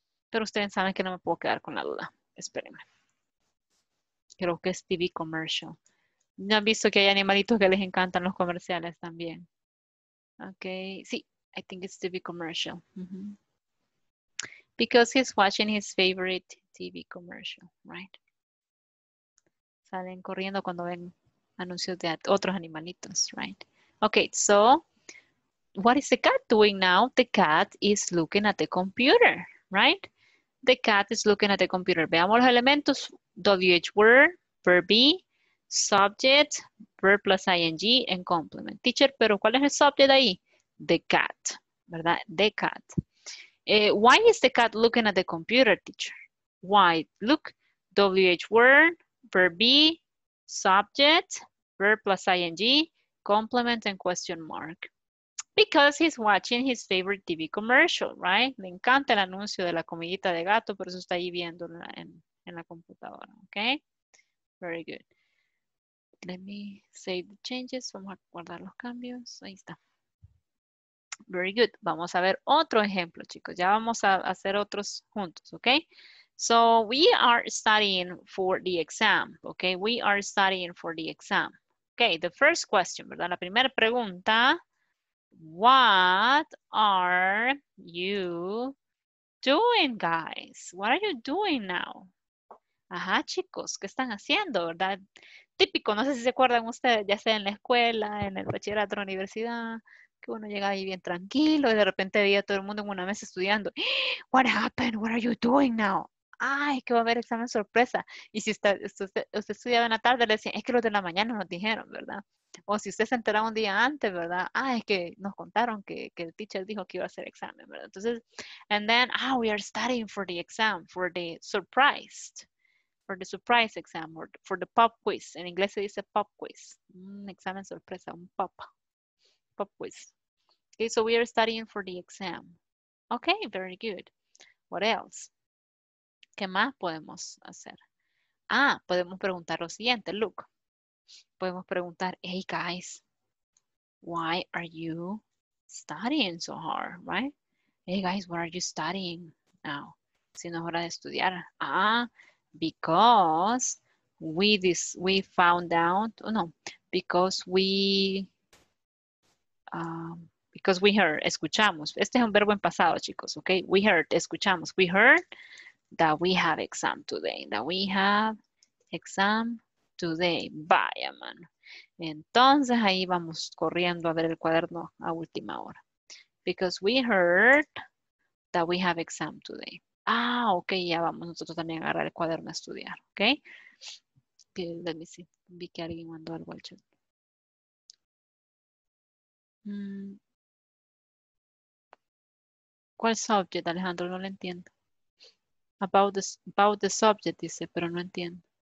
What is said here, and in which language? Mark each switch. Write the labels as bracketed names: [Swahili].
[Spanish] Pero ustedes saben que no me puedo quedar con la duda. Espérenme. Creo que es TV commercial. ¿No han visto que hay animalitos que les encantan los comerciales también? [English] Okay, sí. I think it's TV commercial. Mm-hmm. Because he's watching his favorite TV commercial, right? [Spanish] Salen corriendo cuando ven anuncios de otros animalitos, right? [English] Okay, so what is the cat doing now? The cat is looking at the computer, right? The cat is looking at the computer. [Spanish] Veamos los elementos. [English] WH word, verb be, subject, verb plus ing, and complement. [Spanish] Teacher, pero ¿cuál es el subject ahí? The cat, ¿verdad? The cat. [English] Why is the cat looking at the computer, teacher? Why? Look, WH word, verb be, subject, verb plus ing, complement and question mark. Because he's watching his favorite TV commercial, right? [Spanish] Le encanta el anuncio de la comidita de gato, por eso está ahí viendo en la computadora, okay? [English] Very good. Let me save the changes. [Spanish] Vamos a guardar los cambios. Ahí está. [English] Very good. [Spanish] Vamos a ver otro ejemplo, chicos. Ya vamos a hacer otros juntos, ¿ok? [English] So, we are studying for the exam, ¿ok? We are studying for the exam. Ok, the first question, ¿verdad? [Spanish] La primera pregunta. [English] What are you doing, guys? What are you doing now? [Spanish] Ajá, chicos, ¿qué están haciendo, verdad? Típico, no sé si se acuerdan ustedes, ya sea en la escuela, en el bachillerato, en la universidad, que uno llega ahí bien tranquilo y de repente veía a todo el mundo en una mesa estudiando. [English] What happened? What are you doing now? [Spanish] Ay, que va a haber examen sorpresa. Y si usted estudiaba en la tarde, le decían, es que los de la mañana nos dijeron, ¿verdad? O si usted se enteraba un día antes, ¿verdad? Ah, es que nos contaron que el teacher dijo que iba a hacer examen, ¿verdad? [English] Entonces, and then, we are studying for the exam, for the surprise exam, or for the pop quiz. [Spanish] En inglés se dice pop quiz, un examen sorpresa, un pop quiz. [English] Okay, so we are studying for the exam. Okay, very good. What else? [Spanish] ¿Qué más podemos hacer? [English] Ah, [Spanish] podemos preguntar lo siguiente, [English] look. [Spanish] Podemos preguntar, [English] hey guys, why are you studying so hard, right? Hey guys, what are you studying now? [Spanish] Si no es hora de estudiar. [English] Ah, because we found out, oh no, because we heard, escuchamos. [Spanish] Este es un verbo en pasado, chicos, okay? [English] We heard, [Spanish] escuchamos. [English] We heard that we have exam today, that we have exam today, [Spanish] vaya mano. Entonces ahí vamos corriendo a ver el cuaderno a última hora. [English] Because we heard that we have exam today. [Spanish] Ah, ok, ya vamos nosotros también a agarrar el cuaderno a estudiar, ok. [English] Let me see, [Spanish] vi que alguien mandó algo al chat. ¿Cuál subject, Alejandro? No lo entiendo. [English] About the subject, [Spanish] dice, pero no entiendo.